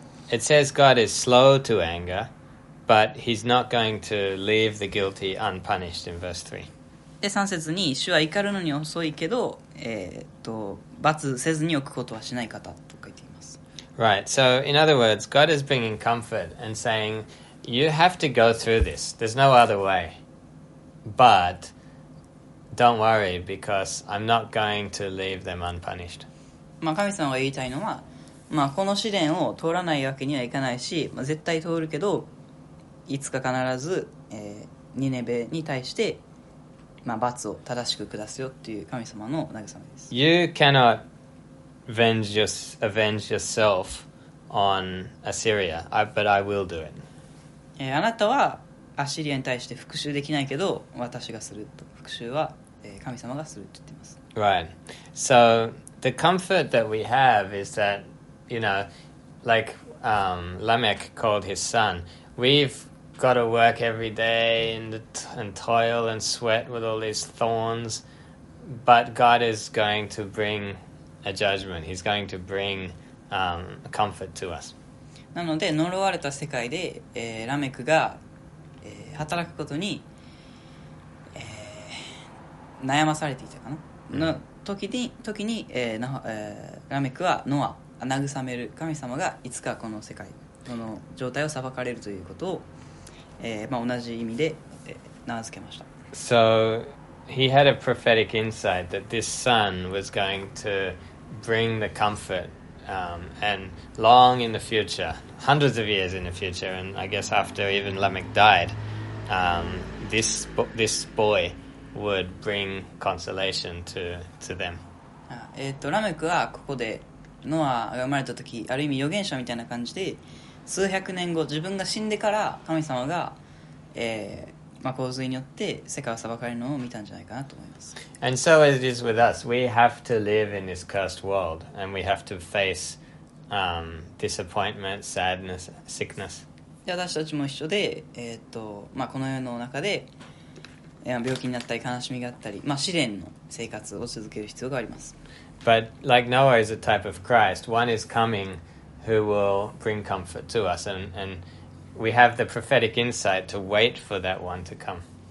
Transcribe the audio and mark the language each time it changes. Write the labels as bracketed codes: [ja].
[en] It says God is slow to anger, but he's not going to leave the guilty unpunished in verse 3. [ja] で、3節に、主は怒るのに遅いけど、罰せずに置くことはしない方と書いています。 [en] Right. So, in other words, God is bringing comfort and saying, you have to go through this. There's no other way. But, don't worry, because I'm not going to leave them unpunished. [ja] まあ、神様が言いたいのは、まあ、この試練を通らないわけにはいかないし、まあ、絶対通るけどいつか必ず、ニネベに対して、まあ、罰を正しく下すよっていう神様の慰めです。 [en] You cannot avenge yourself on Assyria, but I will do it. [ja] あなたはアシリアに対して復讐できないけど私がすると、復讐は神様がすると言っています。 [en] Right. So the comfort that we have is that, you know, like Lamech called his son, we've got to work every day and toil and sweat with all these thorns, but God is going to bring a judgment. He's going to bring comfort to us. [ja] なので呪われた世界で、ラメクが、働くことに、悩まされていたかな、mm. の時に、ラメクはノア、慰める神様がいつかこの世界この状態を裁かれるということを、まあ、同じ意味で、名付けました。 [en] So he had a prophetic insight that this son was going to bring the comfort and long in the future, hundreds of years in the future, and I guess after even Lamech died, this boy would bring consolation to them. [ja] ラメクはここでノアが生まれた時、ある意味預言者みたいな感じで、数百年後自分が死んでから神様が、まあ、洪水によって世界を裁かれるのを見たんじゃないかなと思います。 [en] And so as it is with us, we have to live in this cursed world and we have to face disappointment, sadness, sickness. [ja] 私たちも一緒で、まあ、この世の中で、病気になったり悲しみがあったり、まあ、試練の生活を続ける必要があります。 [en] But like Noah is a type of Christ, one is coming who will bring comfort to us andWe have the prophetic insight to wait for that one to come.